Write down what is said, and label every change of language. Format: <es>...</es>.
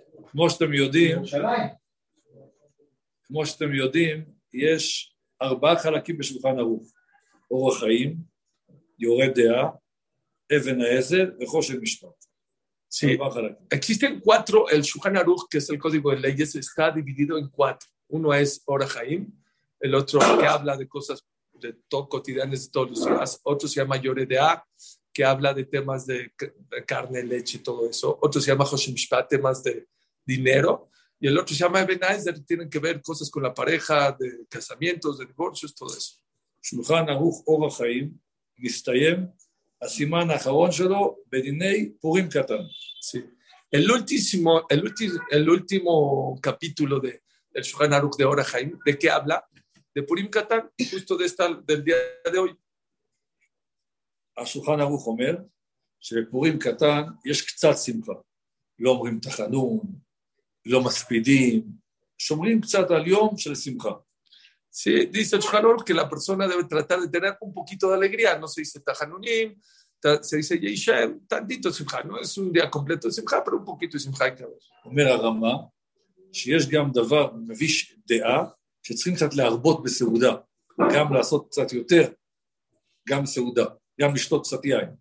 <he>כמו שאתם יודעים, כמו שאתם יודעים, יש ארבעה חלקים בשולחן ערוך. אורח חיים, יורד דעה, אבן העזר וחושב משפט.</he> <es>Sí. Existen cuatro, el Shulchan Aruch, que es el código de leyes, está dividido en cuatro. Uno es Or HaChaim, el otro que habla de cosas de todo cotidianas de todos los días. Otro se llama Yoreh Deah, que habla de temas de carne, leche y todo eso. Otro se llama Hoshim Shpah, temas de dinero. Y el otro se llama Eben Ezer, tienen que ver cosas con la pareja, de casamientos, de divorcios, todo eso.</es> <he>Shulchan Aruch Or HaChaim, Mistayem, הסימן האחרון שלו בדיני פורים קטן.</he> <es>Sí. El último, el último capítulo de el Shulchan Aruch de Or HaChaim, ¿de qué habla? De Purim Katán, justo de esta del día de hoy.</es> <he>השולחן ערוך אומר שבפורים קטן יש קצת שמחה. לא אומרים תחנון, לא מספידים, שומרים קצת על יום של שמחה.</he> <es>Sí, dice el Shulchan Aruch que la persona debe tratar de tener un poquito de alegría. No se dice Tajanunim, se dice Yeishem, tantito Simcha. No es un día completo de Simcha, pero un poquito de Simcha hay que ver.</es> <he>Omer Arama, שיש גם דבר מביש דעה, שצריכים קצת להרבות בסעודה, גם לעשות קצת יותר, גם סעודה, גם לשתות קצת יין.</he>